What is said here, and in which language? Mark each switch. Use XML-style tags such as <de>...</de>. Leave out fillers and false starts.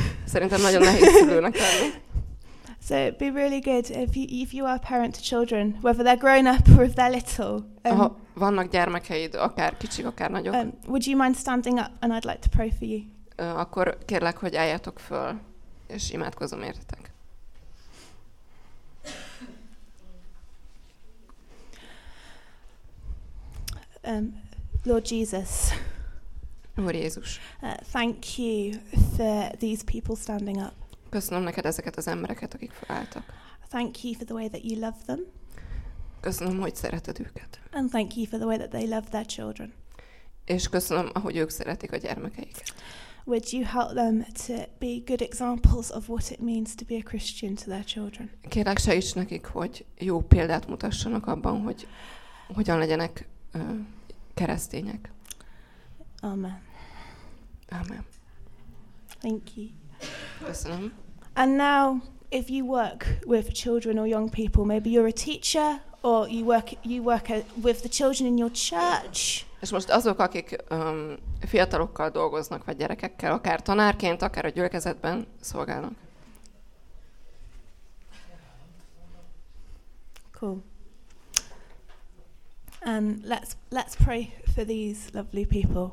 <hu>Szerintem nagyon nehéz szülőnek lenni.</hu> <en>So it'd be really good if you are a parent to children, whether they're grown up or if they're little.</en> <hu>Vannak gyermekeid, akár kicsik, akár nagyok.</hu> <en>Would you mind standing up, and I'd like to pray for you.</en> <hu>Akkor kérlek, hogy álljatok föl, és imádkozom értetek.</hu> <en>Lord Jesus.</en> <hu>Úr Jézus.</hu> <en>Thank you for these people standing up.</en> <hu>Köszönöm neked ezeket az embereket, akik felálltak.</hu> <en>Thank you for the way that you love them.</en> <hu>Köszönöm, hogy szereted őket.</hu> <en>And thank you for the way that they love their children.</en> <hu>És köszönöm, ahogy ők szeretik a gyermekeiket.</hu> <en>Would you help them to be good examples of what it means to be a Christian to their children?</en> <hu>Kérlek, segíts nekik, hogy jó példát mutassanak abban, hogy hogyan legyenek keresztények.</hu> <en>Amen.</en> <hu>Amen.</hu> <en>Thank you.</en> <hu>Köszönöm.</hu> <en>And now, if you work with children or young people, maybe you're a teacher, or you work with the children in your church.</en> <hu>És most azok, akik fiatalokkal dolgoznak, vagy gyerekekkel, akár tanárként, akár a gyülekezetben szolgálnak.</hu> <en>Cool. And let's pray for these lovely people.</en>